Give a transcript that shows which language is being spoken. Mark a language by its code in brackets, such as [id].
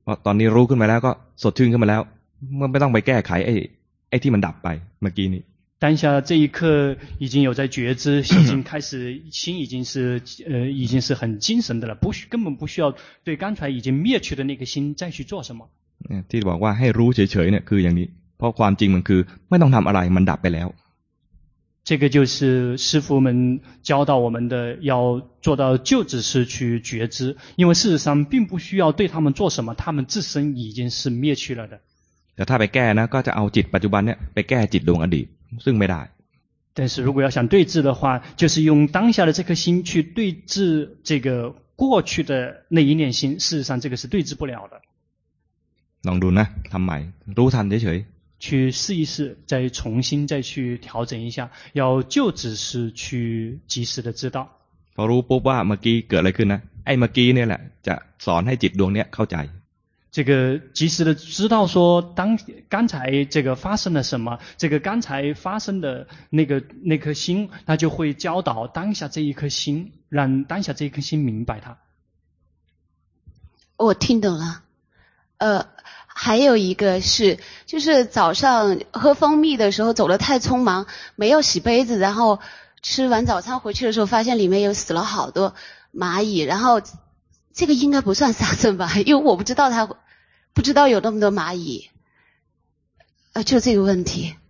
[th] ตอนนี้รู้ขึ้นมาแล้วก็สดชื่นขึ้นมาแล้วไม่ต้องไปแก้ไขไอ้ที่มันดับไปเมื่อกี้นี้ [zh] 当下这一刻已经有在觉知已经开始心已经是已经是很精神的了根本不需要对刚才已经灭去的那个心再去做什么 [th] ที่บอกว่าให้รู้เฉยๆเนี่ยคืออย่างนี้เพราะความจริงมันคือไม่ต้องทำอะไรมันดับไปแล้ว [zh] 这个就是师父们教导我们的要做到就只是去觉知因为事实上并不需要对他们做什么他们自身已经是灭去了的 [th] แต่ถ้าไปแก้นะก็จะเอาจิตปัจจุบันเนี่ยไปแก้จิตดวงอดีตึ่งไม่ได้ [zh] 但是如果要想对治的话就是用当下的这颗心去对治这个过去的那一念心事实上这个是对治不了的 [th] ลองดูนะทำใหม่รู้ทันเฉย [zh] ๆ去试一试再重新再去调整一下要就只是去及时的知道 [th] พอรู้ปุ๊บว่าเมื่อกี้เกิดอะไรขึ้นนะไอ้เมื่อกี้เนี่ยแหละจะสอนให้จิตดวงเนี้ยเข้าใจ [zh] 这个及时的知道说当刚才这个发生了什么这个刚才发生的那颗心那就会教导当下这一颗心让当下这一颗心明白它我听懂了还有一个是就是早上喝蜂蜜的时候走得太匆忙没有洗杯子然后吃完早餐回去的时候发现里面有死了好多蚂蚁然后这个应该不算杀生吧因为我不知道他不知道有那么多蚂蚁就这个问题